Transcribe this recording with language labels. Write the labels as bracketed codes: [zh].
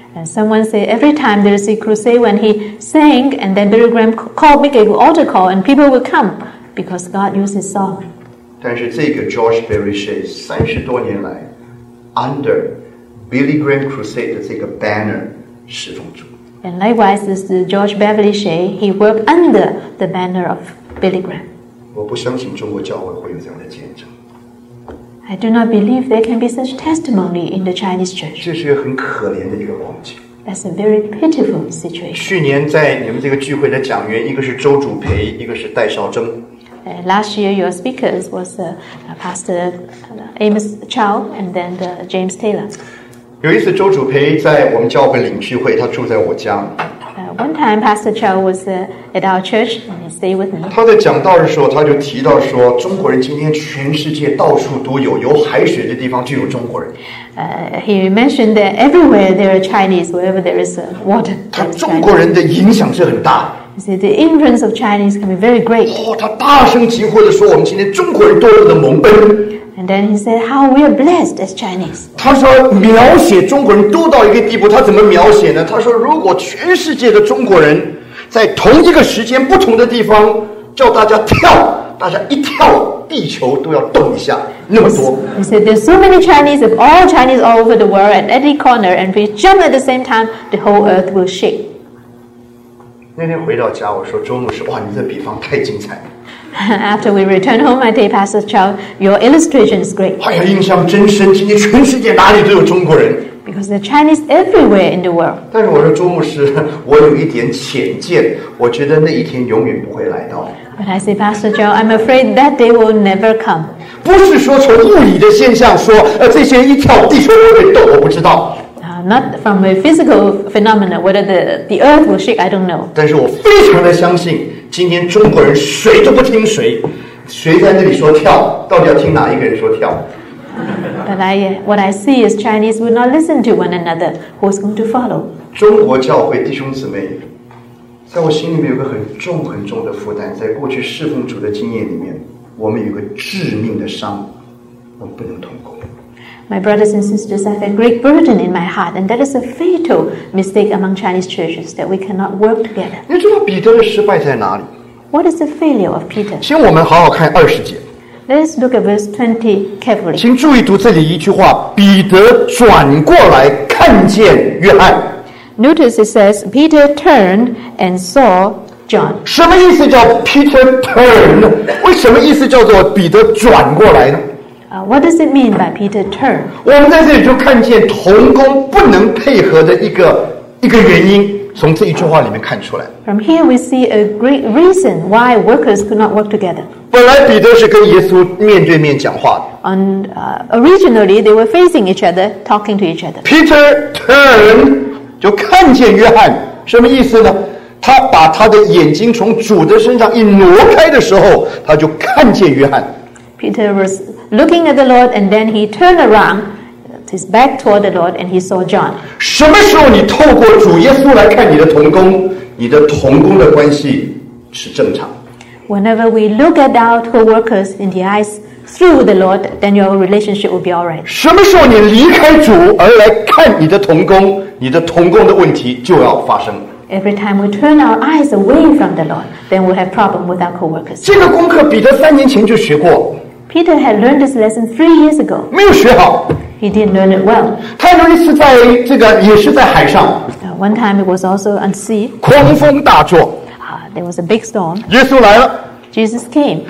[en] And someone say every time there is a crusade when he sang, and then Billy Graham called, make an altar call, and people will come because God used his song. [zh] 但是这个 George Beverly Shea 三十多年来 [en] under Billy Graham Crusade [zh] 的这个 banner 侍奉主。 [en] And likewise, this is George Beverly Shea. He worked under the banner of Billy Graham. [zh] 我不相信中国教会会有这样的见证。 [en] I do not believe there can be such testimony in the Chinese church. [zh] 这是一个很可怜的一个光景。 [en] That's a very pitiful situation. [zh] 去年在你们这个聚会的讲员，一个是周主培，一个是戴绍征。 [en] Last year, your speakers was Pastor Amos Chow and then the James Taylor. [zh] 有一次，周主培在我们教会领聚会，他住在我家。 [en] One time, Pastor Chow was at our church and he stayed with me. [zh] 他在讲道的时候，他就提到说，中国人今天全世界到处都有，有海水的地方就有中国人。 [en] He mentioned that everywhere there are Chinese, wherever there is water. [zh] 他中国人的影响是很大。 [en] He said the influence of Chinese can be very great. [zh] 他大声疾呼地说，我们今天中国人多么的蒙恩。 [en] And then he said, "How we are blessed as Chinese." [zh] 他说描写中国人多到一个地步，他怎么描写呢？他说，如果全世界的中国人在同一个时间、不同的地方叫大家跳，大家一跳，地球都要动一下，那么多。 [en] He said, "There's so many Chinese of all Chinese all over the world at any corner, and we jump at the same time, the whole earth will shake." [zh] 那天回到家，我说周牧师，哇，你这比方太精彩了。 [en] After we return home, my dear Pastor Chow, your illustration is great. [zh] 哎呀，印象真深！今天全世界哪里都有中国人。 [en] Because there are Chinese everywhere in the world. [zh] 但是我说周牧师，我有一点浅见，我觉得那一天永远不会来到。 [en] But I say, Pastor Chow, I'm afraid that day will never come. [zh] 不是说从物理的现象说，这些一跳地球都会动，我不知道。 [en] Not from a physical phenomenon, whether the earth will shake, I don't know. [zh] 但是我非常的相信，今天中国人谁都不听谁，谁在那里说跳，到底要听哪一个人说跳？ [en] But what I see is Chinese will not listen to one another. Who's going to follow? [zh] 中国教会弟兄姊妹，在我心里面有个很重很重的负担。在过去侍奉主的经验里面，我们有个致命的伤，我们不能同工。 [en] My brothers and sisters, I have a great burden in my heart, and that is a fatal mistake among Chinese churches that we cannot work together. [zh] 你知道彼得的失败在哪里？ [en] What is the failure of Peter? [zh] 请我们好好看二十节。 [en] Let's look at verse 20 carefully. [zh] 请注意读这里一句话：彼得转过来看见约翰。 [en] Notice it says Peter turned and saw John. [zh] 什么意思叫 [en] Peter turned？ [zh] 为什么意思叫做彼得转过来呢？ [en] What does it mean by Peter turn? [zh] 我们在这里就看见同工不能配合的一个原因，从这一句话里面看出来。 [en] From here we see a great reason why workers could not work together. [zh] 本来彼得是跟耶稣面对面讲话的。 [en] And originally they were facing each other, talking to each other. Peter turned, [zh] 就看见约翰，什么意思呢？他把他的眼睛从主的身上一挪开的时候，他就看见约翰。 [en] Peter was looking at the Lord, and then he turned around, his back toward the Lord, and he saw John. [zh] 什么时候你透过主耶稣来看你的同工，你的同工的关系是正常。 [en] Whenever we look at our co-workers in the eyes through the Lord, then your relationship will be all right. [zh] 什么时候你离开主而来看你的同工，你的同工的问题就要发生。 [en] Every time we turn our eyes away from the Lord, then we'll have problems with our co-workers. [zh] 这个功课彼得三年前就学过。 [en] Peter had learned this lesson 3 years ago. [zh] 没有学好。 [en] He didn't learn it well. [zh] 他有一次在这个也是在海上。 [en] One time it was also on sea. [zh] 狂风大作。 [en] There was a big storm. [zh] 耶稣来了。 [en] Jesus came.